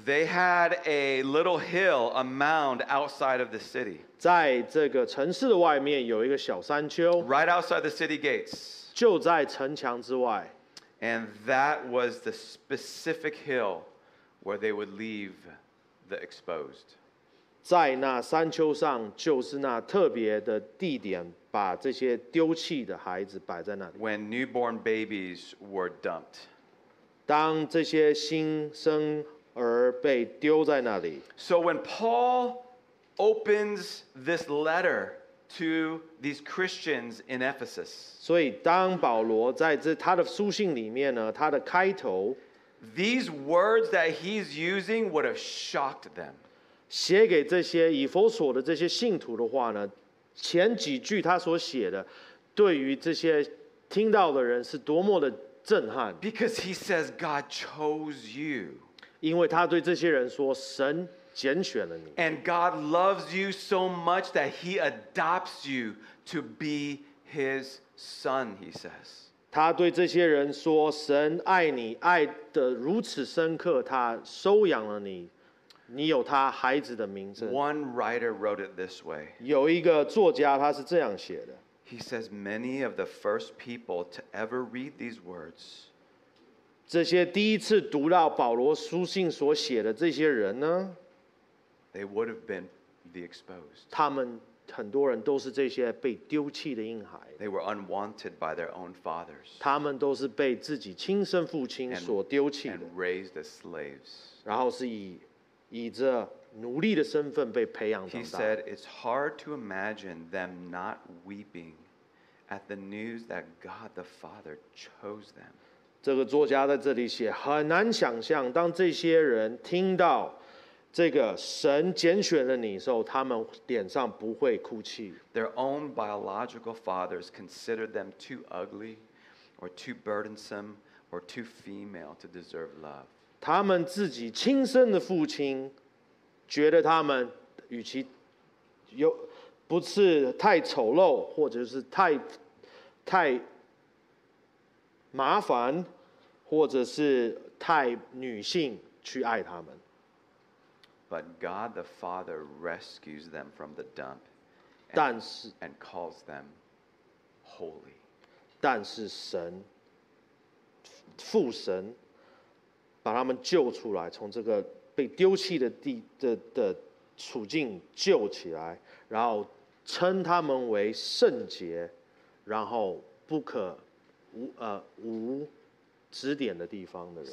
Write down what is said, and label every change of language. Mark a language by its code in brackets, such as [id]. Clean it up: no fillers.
[en] ，They had a little hill, a mound outside of the city. [zh] 在这个城市的外面有一个小山丘 [en] ，Right outside the city gates. [zh] 就在城墙之外。 [en] And that was the specific hill where they would leave the exposed. [zh] 在那山丘上，就是那特别的地点，把这些丢弃的孩子摆在那里。 [en] When newborn babies were dumped. [zh] 当这些新生儿被丢在那里。 [en] So when Paul opens this letter to these Christians in Ephesus. [zh] 所以当保罗在这他的书信里面呢，他的开头。 [en] These words that he's using would have shocked them. [zh] 写给这些以弗所的这些信徒的话呢，前几句他所写的，对于这些听到的人是多么的震撼。 [en] Because he says God chose you. [zh] 因为他对这些人说，神拣选了你。 [en] And God loves you so much that he adopts you to be his son, he says. [zh] 他对这些人说：“神爱你，爱得如此深刻，他收养了你，你有他孩子的名字。” [en] One writer wrote it this way. [zh] 有一个作家他是这样写的。 [en] He says many of the first people to ever read these words. [zh] 这些第一次读到保罗书信所写的这些人呢 [en] ？They would have been the exposed. [zh] 他们。很多人都是这些被丢弃的婴孩。 [en] They were unwanted by their own fathers. [zh] 他们都是被自己亲生父亲所丢弃的。 [en] And raised as slaves. [zh] 然后是以这奴隶的身份被培养长大。 [en] He said it's hard to imagine them not weeping at the news that God the Father chose them. [zh] 这个作家在这里写，很难想象当这些人听到。这个神拣选了你的时候，他们脸上不会哭泣。 [en] Their own biological fathers considered them too ugly, or too burdensome, or too female to deserve love. [zh] 他们自己亲生的父亲觉得他们与其有不是太丑陋，或者是太麻烦，或者是太女性去爱他们。 [en] But God the Father rescues them from the dump and calls them holy. [zh] 但是神，父神，把他们救出来，从这个被丢弃的地的处境救起来，然后称他们为圣洁，然后不可无指点的地方的人。